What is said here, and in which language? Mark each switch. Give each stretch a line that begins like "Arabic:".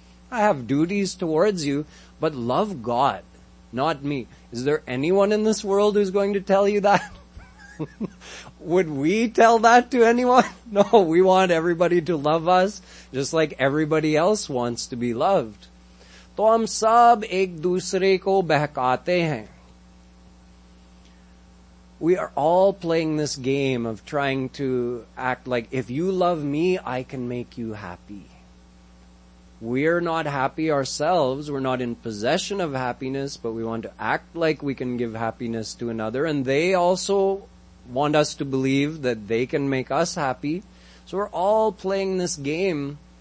English: I have duties towards you, but love God, not me. Is there anyone in this world who's going to tell you that? Would we tell that to anyone? No, we want everybody to love us, just like everybody else wants to be loved.
Hindi: तो हम सब एक दूसरे को बहकाते हैं.
English: We are all playing this game of trying to act like, if you love me, I can make you happy. We're not happy ourselves, we're not in possession of happiness, but we want to act like we can give happiness to another, and they also want us to believe that they can make us happy. So we're all playing this game.